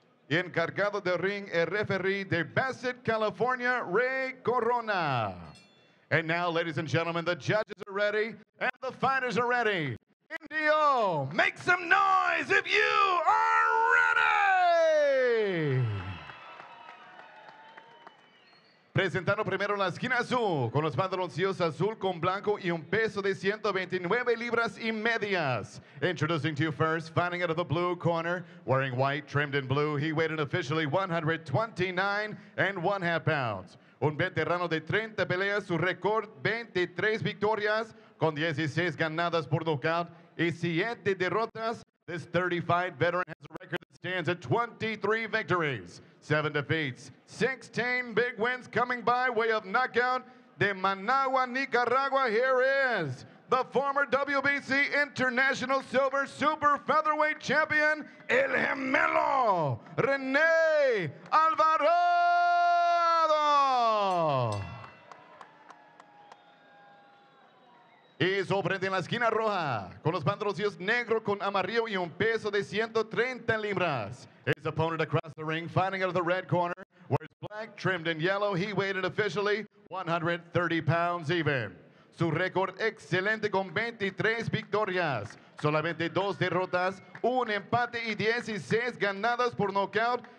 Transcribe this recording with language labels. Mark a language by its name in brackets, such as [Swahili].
[Spanish] Encargado de ring, el referee de Bassett, California, Ray Corona. [English] And now, ladies and gentlemen, the judges are ready and the fighters are ready. Indio, make some noise if you are ready! [Spanish] Presentando primero la esquina azul, con los pantaloncillos azul con blanco y un peso de 129 libras y medias. [English] Introducing to you first, fighting out of the blue corner, wearing white, trimmed in blue, he weighed in officially 129 and 1.5 pounds. [Spanish] Un veterano de 30 peleas, su record 23 victorias, con 16 ganadas por nocaut. Y siete derrotas, [English] this 35 veteran has a record that stands at 23 victories, 7 defeats, 16 big wins coming by way of knockout [Spanish] de Managua, Nicaragua. [English] Here is the former WBC International Silver Super Featherweight Champion, El Gemelo, René Alvarado. [Spanish] Y sorprende en la esquina roja, con los pantaloncillos negro con amarillo y un peso de 130 libras. [English] His opponent across the ring, fighting out of the red corner, wears black, trimmed in yellow. He weighed officially 130 pounds even. [Spanish] Su récord excelente con 23 victorias, solamente 2 derrotas, un empate y 16 ganadas por nocaut.